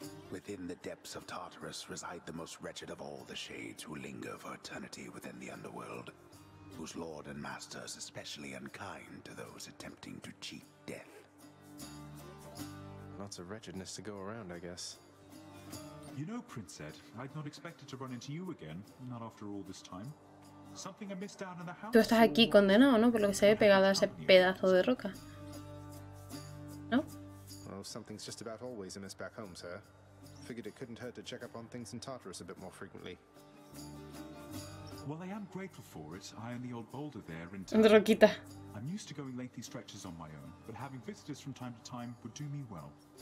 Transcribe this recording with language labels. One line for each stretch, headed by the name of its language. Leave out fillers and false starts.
English: Within the depths of Tartarus reside the most wretched of all the shades who linger for eternity within the underworld, whose lord and master is especially unkind to those attempting to cheat death. Lots of wretchedness to go around, I guess. You know, Princess, I'd not expected to run into you again, not after all this time. Something I missed out in the house.
Spanish: Tú estás aquí condenado, ¿no? Por lo que se ve pegado a ese pedazo de roca. ¿No?
English: Well, something's just about always amiss back home, sir. Figured it couldn't hurt to check up on things in Tartarus a bit more frequently. Well, I am grateful for it. I am the old boulder there in Tartarus.
Spanish: Roquita.
English: I'm used to going lengthy stretches on my own, but having visitors from time to time would do me well.